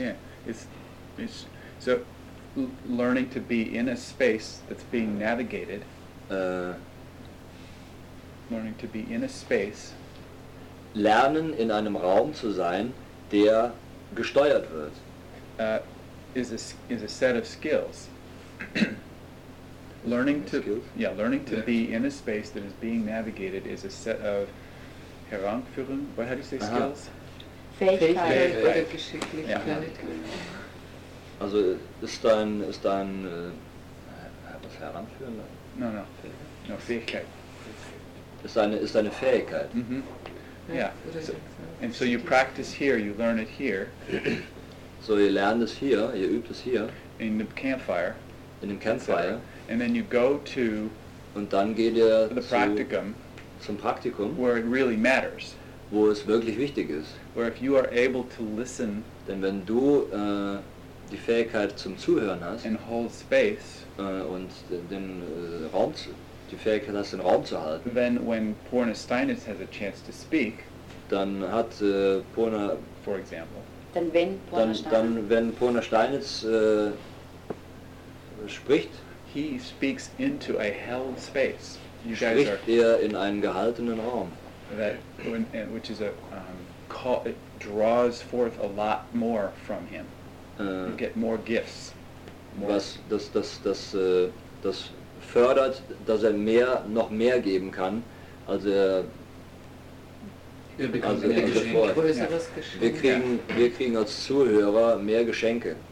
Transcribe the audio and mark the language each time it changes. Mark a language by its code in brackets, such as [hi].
[en] Yeah, it's so learning to be in a space that's being navigated. Learning to be in a space. [de] Lernen in einem Raum zu sein, der gesteuert wird. [en] Is a set of skills. learning to be in a space that is being navigated is a set of Heranführen, what, how do you say skills? [de] Fähigkeit. Also ist dein was heranführen? No, Fähigkeit. Ist eine Fähigkeit. Mm-hmm. Yeah. [en] And so you practice here, you learn it here. [de] So ihr lernt es hier, ihr übt es hier. [en] In the campfire. [de] In dem Campfire. [en] And then you go to. [de] Und dann geht ihr [en] the practicum. [de] Zum Praktikum, [en] where it really matters, [de] wo es wirklich wichtig ist, [en] where if you are able to listen, [de] denn wenn du die Fähigkeit zum Zuhören hast, [en] and hold space, [de] und den Raum, die Fähigkeit hast, den Raum zu halten, [en] then when Porna Steinitz has a chance to speak, [de] dann hat Porna, [en] for example, [de] dann wenn [en] Porna Steinitz spricht, he speaks into a held space. You guys [de] spricht [en] are [de] er in einen gehaltenen Raum. [en] That, which is a call, it draws forth a lot more from him. you get more gifts. [de] More was das fördert, dass noch mehr geben kann, also wir kriegen als Zuhörer mehr Geschenke.